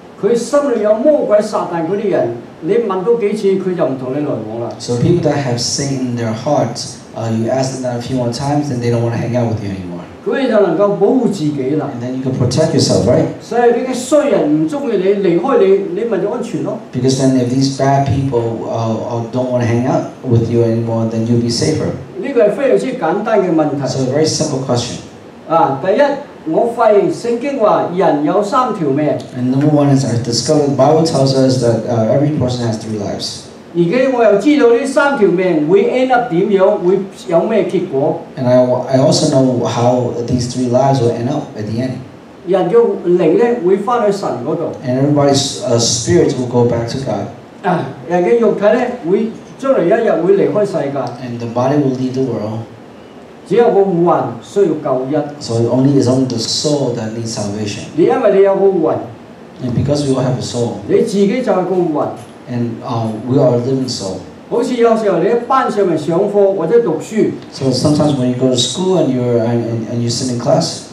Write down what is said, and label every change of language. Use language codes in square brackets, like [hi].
[en] So people that have Satan in their hearts, you ask them that a few more times and they don't want to hang out with you anymore. And then you can protect yourself, right? Because then if these bad people don't want to hang out with you anymore, then you'll be safer. [yue] 呢個係非常之簡單嘅問題。 [en] So very simple question. [yue] 第一，我發現聖經話人有三條命。 [en] And number one is I discovered the Bible tells us that every person has three lives. [yue] 而且我又知道呢三條命 [en] we end up [yue] 點樣，會有咩結果。 [en] And I also know how these three lives will end up at the end. [yue] 人嘅靈咧會翻去神嗰度。 [en] And everybody's spirit will go back to God. [yue] 人嘅肉體咧會將來一日會離開世界。 [en] And the body will leave the world. [yue] 只有個魂需要救恩。 [en] So only is only the soul that needs salvation. [yue] 你因為你有個魂。 [en] And because we all have a soul. [yue] 你自己就係個魂。 [en] And we are a living soul. [yue] 好似有時候你喺班上面上課或者讀書。 [en] So sometimes when you go to school and you sit in class.